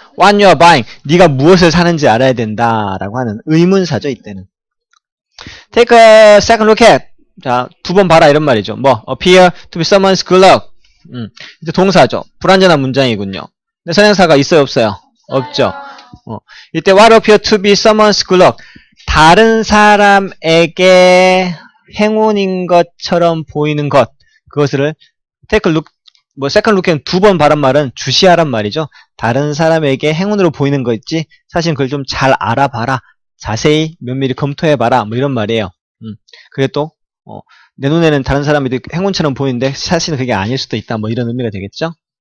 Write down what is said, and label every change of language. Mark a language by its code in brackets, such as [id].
[en] What you are buying. [ko] 네가 무엇을 사는지 알아야 된다. 라고 하는 의문사죠. 이때는. [en] Take a second look at. [ko] 자, 두 번 봐라 이런 말이죠. [en] 뭐 appear to be someone's good luck. [ko] 이제 동사죠. 불완전한 문장이군요. 근데 선행사가 있어요, 없어요? 없어요. 없죠. 이때 [en] what appear to be someone's good luck. [ko] 다른 사람에게 행운인 것처럼 보이는 것. 그것을 [en] take a look, [ko] 뭐 [en] second look [ko] 두 번 바란 말은 주시하란 말이죠. 다른 사람에게 행운으로 보이는 거 있지. 사실 그걸 좀 잘 알아봐라. 자세히 면밀히 검토해봐라. 뭐 이런 말이에요. 그게 또 내 눈에는 다른 사람이 행운처럼 보이는데 사실은 그게 아닐 수도 있다. 뭐 이런 의미가 되겠죠.